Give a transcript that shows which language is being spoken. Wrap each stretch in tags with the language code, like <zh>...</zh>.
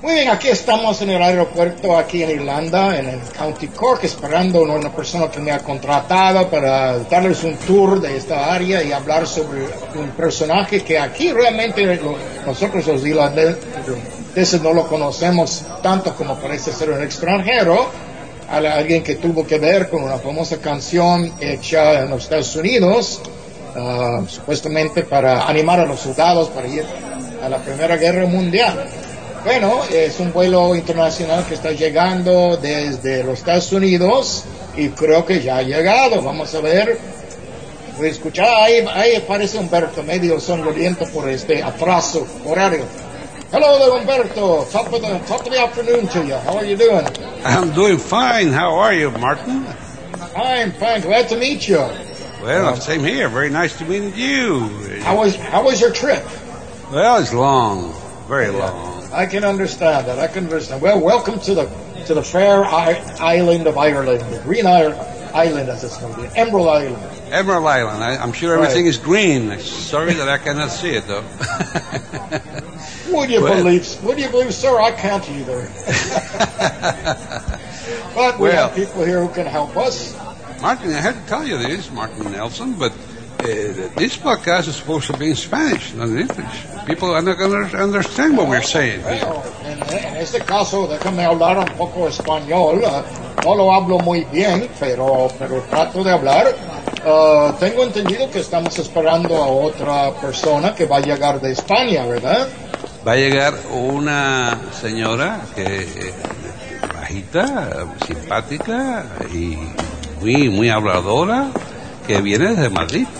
<es>Aquí estamos en el aeropuerto aquí en Irlanda, en el County Cork, esperando a una persona que me ha contratado para darles un tour de esta área y hablar sobre un personaje que aquí realmente nosotros los irlandeses no lo conocemos tanto como parece ser un extranjero, alguien que tuvo que ver con una famosa canción hecha en los Estados Unidos, supuestamente para animar a los soldados para ir a la Primera Guerra Mundial. Bueno, es un vuelo internacional que está llegando desde los Estados Unidos y creo que ya ha llegado. Vamos a ver. Voy a escuchar. Ahí aparece Humberto, medio sonriendo por este atraso horario.</es> <en>Hello there, Humberto. Top of the afternoon to you. How are you doing? I'm doing fine. How are you, Martin? Fine. Glad to meet you. Well, same here. Very nice to meet you. How was your trip? Well, it's long. Very long. I can understand. Well, welcome to the fair island of Ireland, the green island, as it's called, the Emerald Island. I'm sure everything is green. Sorry that I cannot see it, though. Would you believe, sir? I can't either. But we have people here who can help us. Martin, I had to tell you this, Martin Nelson, but this podcast is supposed to be in Spanish, not in English. People are not going to understand what we're saying.</en> <es>En este caso, déjame hablar un poco español. No lo hablo muy bien, pero trato de hablar. Tengo entendido que estamos esperando a otra persona que va a llegar de España, ¿verdad? Va a llegar una señora que bajita, simpática y muy, muy habladora, que viene desde Madrid.</es>